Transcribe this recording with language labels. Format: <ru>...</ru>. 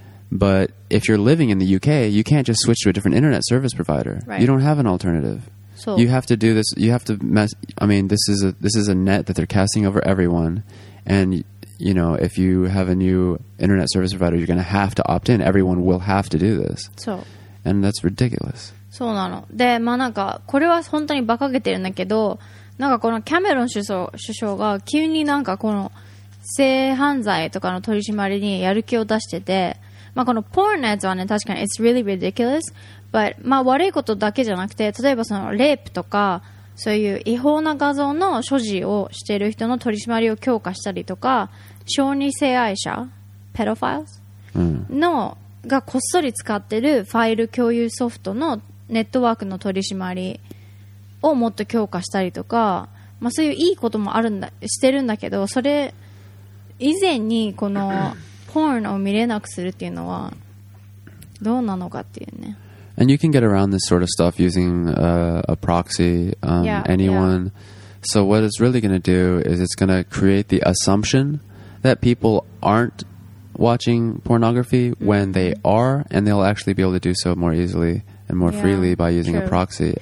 <en>But if you're living in the UK, you can't just switch to a different internet service provider. Right. You don't have an alternative. So you have to do this. You have to mess. I mean, this is a net that they're casting over everyone. And, you know, if you have a new internet service provider, you're going to have to opt in. Everyone will have to do this. So. And that's ridiculous.</en> <ja>そうなの。で、まあなんかこれは本当に馬鹿げてるんだけど、なんかこのキャメロン首相が急になんかこの性犯罪とかの取り締まりにやる気を出してて、まあ、このポーンのやつはね、確かに</ja> <en>It's really ridiculous</en> <ja>but、まあ、悪いことだけじゃなくて、例えばそのレイプとかそういう違法な画像の所持をしている人の取り締まりを強化したりとか、小児性愛者ペドファイルのがこっそり使ってるファイル共有ソフトのネットワークの取り締まりをもっと強化したりとか、まあ、そういういいこともあるんだしてるんだけど、それ以前にこのポーンを見れなくするっていうのはどうなのかっていうね。</ja> <en>And you can get around this sort of stuff using a proxy, anyone. Yeah. So what it's really going to do is it's going to create the assumption that people aren't watching pornography when they are, and they'll actually be able to do so more easily and more freely by using a proxy.</en>